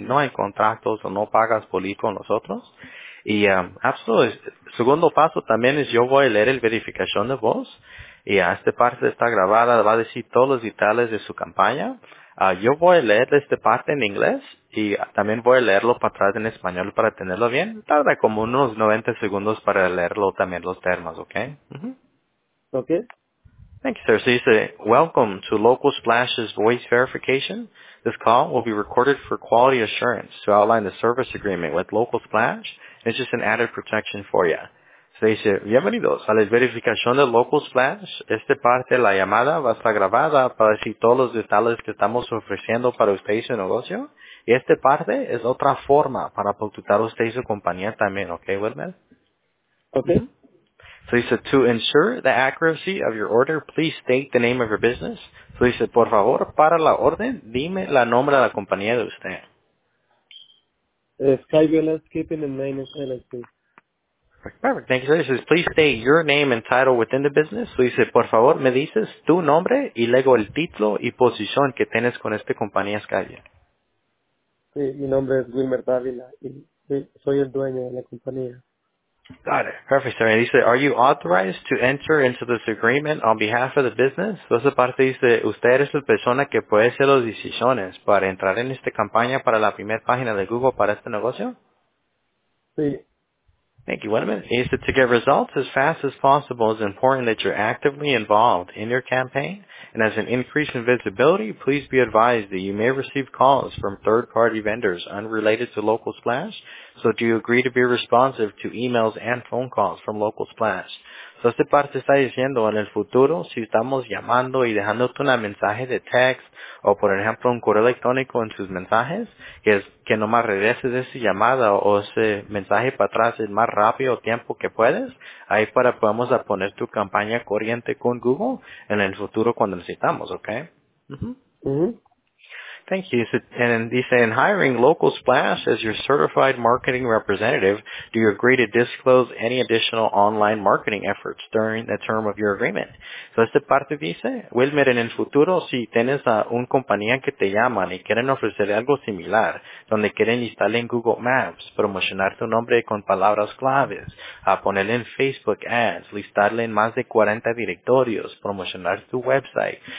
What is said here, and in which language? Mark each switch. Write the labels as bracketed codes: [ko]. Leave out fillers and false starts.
[es] No hay contratos o no pagas por ir con nosotros. Y absolutamente, segundo paso también es yo voy a leer el verificación de voz y a esta parte está grabada, va a decir todos los detalles de su campaña. Yo voy a leer esta parte en inglés y también voy a leerlo para atrás en español para tenerlo bien. Tarda como unos 90 segundos para leerlo también los termos, ¿ok? Uh-huh. [en] Okay. Thank you, sir. So you say, welcome to Local Splash's voice verification. This call will be recorded for quality assurance to outline the service agreement with Local Splash. It's just an added protection for you. So they say, [es] bienvenidos a la verificación de [en] Local Splash. [es] Esta parte de la llamada va a estar grabada para decir todos los detalles que estamos ofreciendo para usted y su negocio. Y esta parte es otra forma para contactar usted y su compañía también. [en] Okay, Wilmer? Okay. So he said, to ensure the accuracy of your order, please state the name of your business. So he said, [es] por favor, para la orden, dime la nombre de la compañía de usted. [en] Skyview Landscaping and Maintenance LLC. Perfect. Thank you, sir. He says, please state your name and title within the business. So he said, [es] por favor, me dices tu nombre y luego el título y posición que tienes con esta compañía Skyview. Sí, mi nombre es Wilmer Dávila y soy el dueño de la compañía. [en] Got it. Perfect, sir. And he said, are you authorized to enter into this agreement on behalf of the business? [es] Entonces, aparte dice, usted es la persona que puede hacer las decisiones para entrar en esta campaña para la primera página de Google para este negocio? Sí. [en] Thank you. Wait a minute. He said, to get results as fast as possible, it's important that you're actively involved in your campaign. And as an increase in visibility, please be advised that you may receive calls from third-party vendors unrelated to Local Splash. So do you agree to be responsive to emails and phone calls from Local Splash? [es] So esta parte está diciendo, en el futuro, si estamos llamando y dejándote un mensaje de text o, por ejemplo, un correo electrónico en sus mensajes, que es que nomás regreses esa llamada o ese mensaje para atrás el más rápido tiempo que puedes, ahí para podamos poner tu campaña corriente con Google en el futuro cuando necesitamos, ¿ok? [en] Thank you. And he said, in hiring Local Splash as your certified marketing representative, do you agree to disclose any additional online marketing efforts during the term of your agreement? [es] So, esta parte dice, Wilmer, en el futuro, si tienes a un compañía que te llaman y quieren ofrecer algo similar, donde quieren instalar en Google Maps, promocionar tu nombre con palabras claves, a ponerle en Facebook ads, listarle en más de 40 directorios, promocionar tu website.